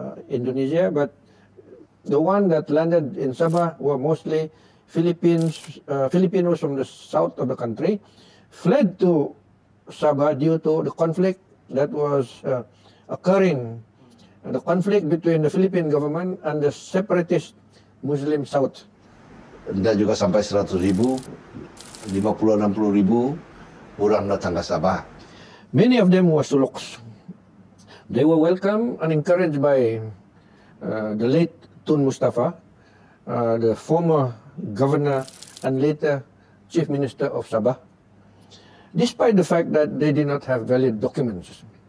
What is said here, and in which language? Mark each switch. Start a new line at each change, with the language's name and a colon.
English: Indonesia, but the one that landed in Sabah were mostly Philippines, Filipinos from the south of the country, fled to Sabah due to the conflict that was occurring, the conflict between the Philippine government and the separatist Muslim South.
Malay: Dan juga sampai 100,000, 50,000-60,000 orang datang ke Sabah.
English: Many of them were Suluks. They were welcome and encouraged by the late Tun Mustafa, the former governor and later chief minister of Sabah, despite the fact that they did not have valid documents.